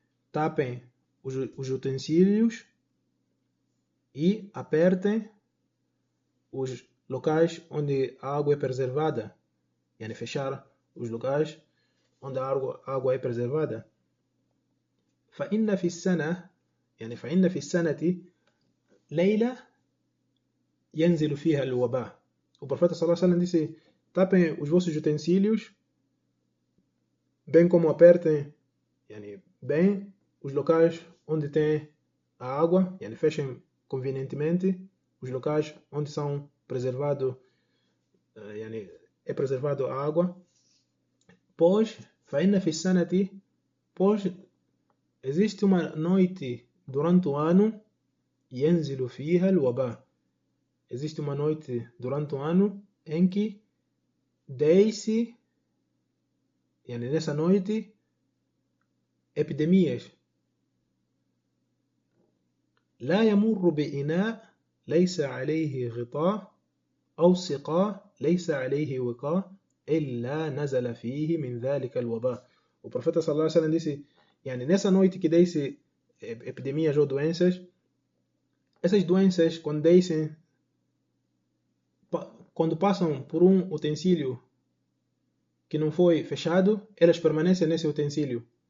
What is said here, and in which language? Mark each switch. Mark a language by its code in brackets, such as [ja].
[pt] Tapem os utensílios e apertem os locais onde a água é preservada. Fechar os locais onde a água é preservada. [ar] فإن في السنة فإن في السنة ليلة ينزل فيها الوباء. [pt] O profeta sallallahu alaihi wasallam disse: tapem os vossos utensílios, bem como apertem bem os locais onde tem a água, fechem convenientemente os locais onde são preservado, é preservado a água. Pois, [ar] fa'inna fi sanati, [pt] pois existe uma noite durante o ano, [ar] yanzilu fiha al-waba. [pt] Existe uma noite durante o ano em que desce, nessa noite, epidemias. [ar] لا يمر بإناء ليس عليه غطاء أو سقاء ليس عليه وقاء إلا نزل فيه من ذلك الوباء. [pt] O profeta sallallahu alaihi wasallam disse, nessa noite que desce epidemias ou doenças, essas doenças quando descem, quando passam por um utensílio que não foi fechado, elas permanecem nesse utensílio.